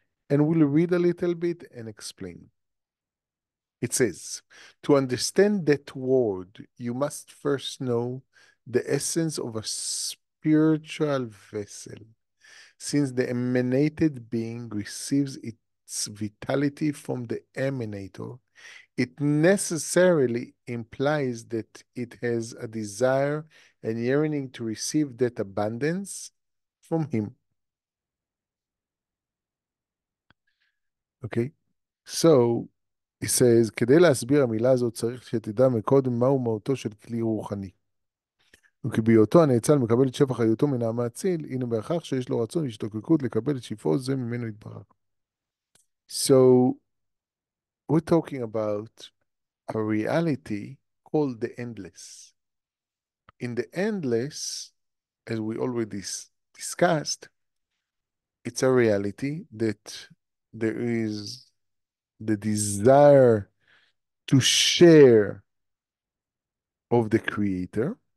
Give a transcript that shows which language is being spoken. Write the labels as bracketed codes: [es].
[en] And we'll read a little bit and explain. It says, to understand that word, you must first know the essence of a spiritual vessel, since the emanated being receives its vitality from the emanator. It necessarily implies that it has a desire and yearning to receive that abundance from him. Okay, so he says, [he] כדי להסביר המילה הזאת צריך שתדע מקודם מהו מהותו של כלי רוחני. וכביותו הנאצל מקבל את שפח היותו מן המעציל, הנה בהכרח שיש לו רצון והשתוקקות לקבל את שפעו זה ממנו יתברך. [en] So, we're talking about a reality called the endless. In the endless, as we already discussed, it's a reality that there is the desire to share of the Creator.